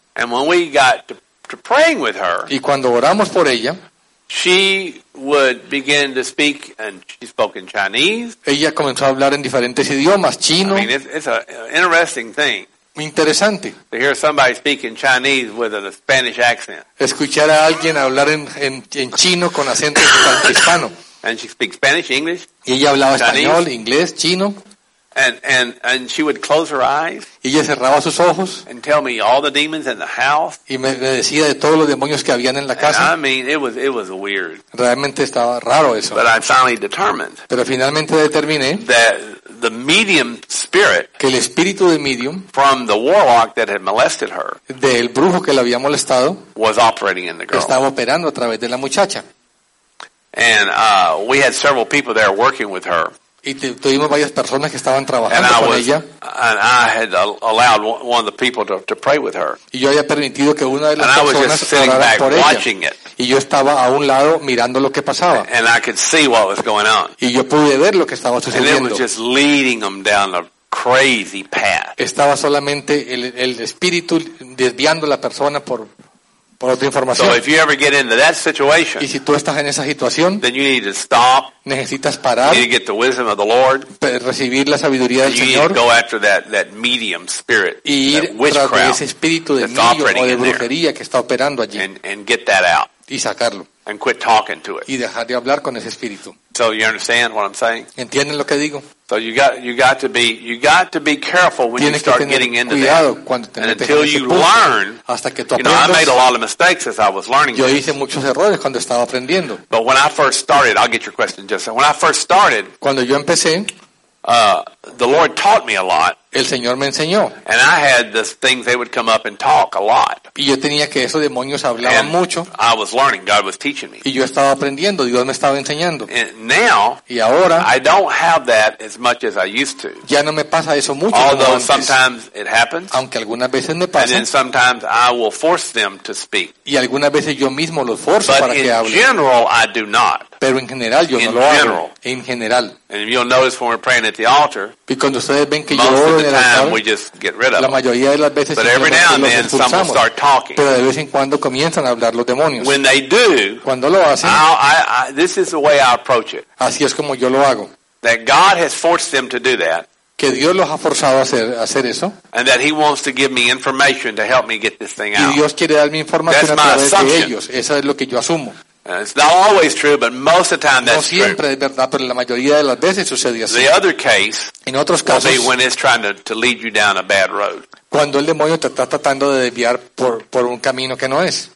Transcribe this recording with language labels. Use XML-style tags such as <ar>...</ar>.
<en>And when we got to praying with her,</en> <es>y cuando oramos por ella,</es> <en>she would begin to speak, and she spoke in Chinese.</en> <es>Ella comenzó a hablar en diferentes idiomas, chino.</es> <en>I mean, it's an interesting thing.</en> <es>Interesante.</es> <en>To hear somebody speak in Chinese with a Spanish accent.</en> <es>Escuchar a alguien hablar en chino con acento hispano.</es> <en>And she speaks Spanish, English.</en> <es>Y ella hablaba Chinese. Español, inglés, chino.</es> <en>And she would close her eyes.</en> <es>Y ella cerraba sus ojos.</es> <en>And tell me all the demons in the house.</en> <es>Y me decía de todos los demonios que habían en la casa.</es> <en>And I mean, it was weird.</en> <es>Realmente estaba raro eso.</es> <en>But I finally determined.</en> <es>Pero finalmente determiné.</es> <en>That the medium spirit.</en> <es>Que el espíritu de medium.</es> <en>From the warlock that had molested her.</en> <es>Del brujo que la había molestado.</es> <en>Was operating in the girl.</en> <es>Estaba operando a través de la muchacha.</es> <en>And we had several people there working with her.</en> <es>Y tuvimos varias personas que estaban trabajando con ella.</es> <en>And I had allowed one of the people to pray with her.</en> <es>Y yo había permitido que una de las personas orara por ella. Y yo estaba a un lado mirando lo que pasaba.</es> <en>And I could see what was going on.</en> <es>Y yo pude ver lo que estaba sucediendo.</es> <en>And it was just leading them down the crazy path.</en> <es>Estaba solamente el espíritu desviando la persona por otra información.</es> <en>So if you ever get into that situation,</en> <es>y si tú estás en esa situación,</es> <en>then you need to stop.</en> <es>Necesitas parar.</es> <en>You need to get the wisdom of the Lord.</en> <es>Recibir la sabiduría del Señor.</es> <en>You need to go after that medium spirit,</en> <es>y ir</es> <en>that</en> <es>tras ese espíritu de medio o de brujería que está operando allí.</es> <en>And get that out.</en> <es>Y sacarlo.</es> <en>And quit talking to it.</en> <es>Y dejar de hablar con ese espíritu.</es> <en>So you understand what I'm saying?</en> <es>¿Entienden lo que digo?</es> <en>So you got to be careful when</en> <es>tienes</es> <en>you start getting into that.</en> <es>Cuidado cuando te</es> <en>and until you learn,</en> <es>hasta que tú aprendas,</es> <en>you know, I made a lot of mistakes as I was learning.</en> <es>Yo hice muchos errores cuando estaba aprendiendo.</es> <en>But when I first started, I'll get your question just so. When I first started,</en> <es>cuando yo empecé,</es> <en>the Lord taught me a lot.</en> <es>El Señor me enseñó.</es> <en>And I had this thing they would come up and talk a lot.</en> <es>Y yo tenía que esos demonios hablaban</es> <en>and</en> <es>mucho.</es> <en>I was learning, God was teaching me.</en> <es>Y yo estaba aprendiendo, Dios me estaba enseñando.</es> <en>And now,</en> <es>y ahora,</es> <en>I don't have that as much as I used to.</en> <es>Ya no me pasa eso mucho.</es> <en>Although</en> <es>como antes.</es> <en>Sometimes it happens.</en> <es>Aunque algunas veces me pasa.</es> <en>And then sometimes I will force them to speak.</en> <es>Y algunas veces yo mismo los forzo</es> <en>but</en> <es>para que hablen.</es> <en>But in general, I do not.</en> <es>Pero en general yo</es> <en>in</en> <es>no</es> <en>general.</en> <es>Lo hago. En general.</es> <en>And you'll notice when we're praying at the altar.</en> <es>Y cuando ustedes ven que yo oro.</es> <en>The time we just get rid of.</en> <es>La mayoría de las veces</es> <en>but every now and then some will start talking.</en> <es>Pero de vez en cuando comienzan a hablar los demonios.</es> <en>When they do,</en> <es>cuando lo hacen,</es> <en>this is the way I approach it.</en> <es>Así es como yo lo hago.</es> <en>That God has forced them to do that.</en> <es>Que Dios los ha forzado a hacer eso.</es> <en>And that he wants to give me information to help me get this thing out.</en> <es>Y Dios quiere darme información</es> <en>that's</en> <es>a través</es> <en>assumption.</en> <es>De ellos. Eso es lo que yo asumo.</es> <en>It's not always true, but most of the time that's</en> <es>no siempre</es> <en>true.</en> <es>Es verdad, pero la mayoría de las veces sucede así.</es> <en>The other case</en> <es>en otros casos,</es> <en>will be when it's trying to lead you down a bad road.</en> <es>Cuando el demonio te está tratando de desviar por un camino que no es.</es>